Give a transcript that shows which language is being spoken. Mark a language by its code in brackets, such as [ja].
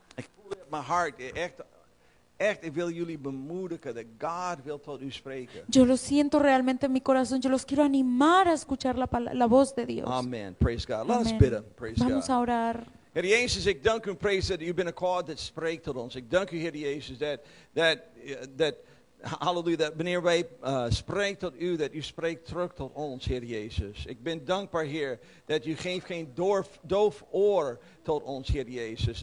[nl] Ik voel in mijn hart, echt, ik wil jullie bemoedigen dat God wil tot u spreken. [es] Yo lo siento realmente en mi corazón. Yo los quiero animar a escuchar la voz de Dios. [en] Amen. Praise God. Let us bid him. Praise [es] Vamos [en] God. [es] Vamos a orar. [nl] Heer Jezus, ik dank u en prijs dat u bent een God dat spreekt tot ons. Ik dank u, Heer Jezus, dat hallelujah, dat wanneer wij spreken tot u, dat u spreekt terug tot ons, Heer Jezus. Ik ben dankbaar, Heer, dat u geeft geen doof oor tot ons, Heer Jezus.